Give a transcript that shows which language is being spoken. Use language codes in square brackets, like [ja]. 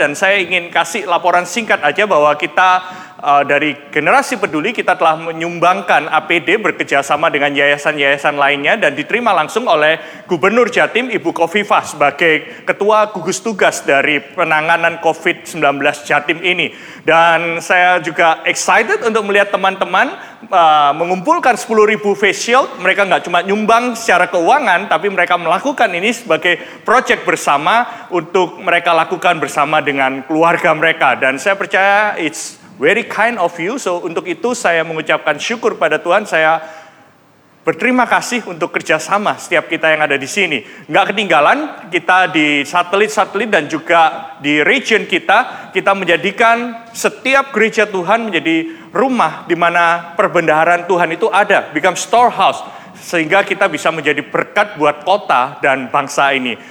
[id] Dan saya ingin kasih laporan singkat aja bahwa kita dari generasi peduli, kita telah menyumbangkan APD bekerjasama dengan yayasan-yayasan lainnya dan diterima langsung oleh Gubernur Jatim Ibu Kofifa sebagai Ketua Gugus Tugas dari penanganan COVID-19 Jatim ini. Dan saya juga excited untuk melihat teman-teman mengumpulkan 10.000 face shield. Mereka nggak cuma nyumbang secara keuangan, tapi mereka melakukan ini sebagai proyek bersama untuk mereka lakukan bersama dengan keluarga mereka. Dan saya percaya [en] it's very kind of you. [id] So untuk itu saya mengucapkan syukur pada Tuhan. Saya berterima kasih untuk kerjasama setiap kita yang ada di sini. Nggak ketinggalan, kita di satelit-satelit dan juga di region kita, kita menjadikan setiap gereja Tuhan menjadi rumah di mana perbendaharaan Tuhan itu ada, [en] become storehouse, [id] sehingga kita bisa menjadi berkat buat kota dan bangsa ini.